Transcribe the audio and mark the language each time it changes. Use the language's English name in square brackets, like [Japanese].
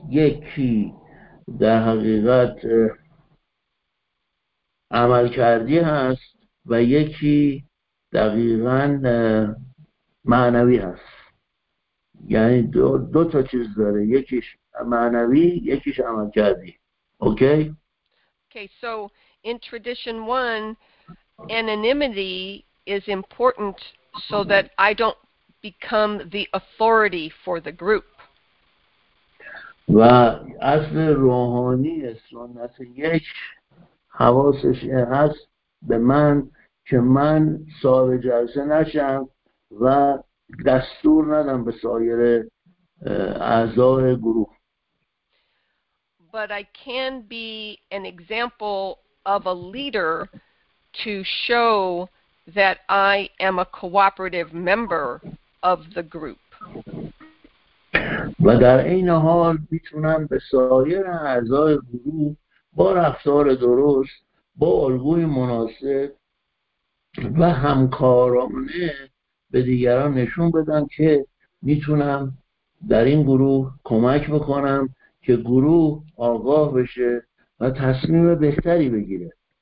[Persian] یکی در حقیقت عمل کردی هست و یکی دقیقا معنوی هست. یعنی دو تا چیز داره، یکیش معنوی، یکیش عملکردی. اوکی؟ [English] Okay, so in tradition one, anonymity is important so that I don't become the authority for the group. [Persian] و اصل روحانی سنت یک حواسش هست به من که من صاحب جلسه نشم و دستور ندم به سایر اعضای گروه. [English] But I can be an example of a leader to show that I am a cooperative member of the group. [Persian] و در این حال میتونم به سایر اعضای گروه با رفتار درست، با الگوی مناسب و همکارانه به دیگران نشون بدم که میتونم در این گروه کمک بکنم که گروه آگاه بشه و تصمیم بهتری بگیره.